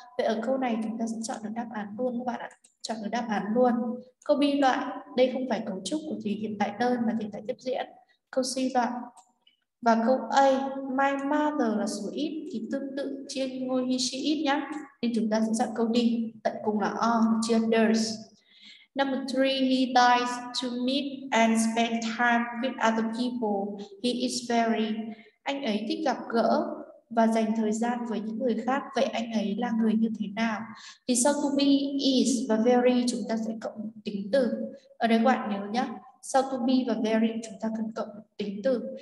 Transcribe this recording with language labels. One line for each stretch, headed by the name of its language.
Vietnamese: Vậy ở câu này chúng ta sẽ chọn được đáp án luôn các bạn ạ. Chọn được đáp án luôn. Câu B đoạn, đây không phải cấu trúc của thì hiện tại đơn mà hiện tại tiếp diễn. Câu C đoạn. Và câu A,
English: my mother
Vietnamese: là số ít thì tương tự trên ngôi he she it nhá. Nên chúng ta sẽ chọn câu D, tận cùng là O, genders.
English: Number 3, he likes to meet and spend time with other people. He is very,
Vietnamese: anh ấy thích gặp gỡ và dành thời gian với những người khác. Vậy anh ấy là người như thế nào? Thì sau to be, is và very chúng ta sẽ cộng tính từ. Ở đây các bạn nhớ nhé, sau to be và very chúng ta cần cộng tính từ.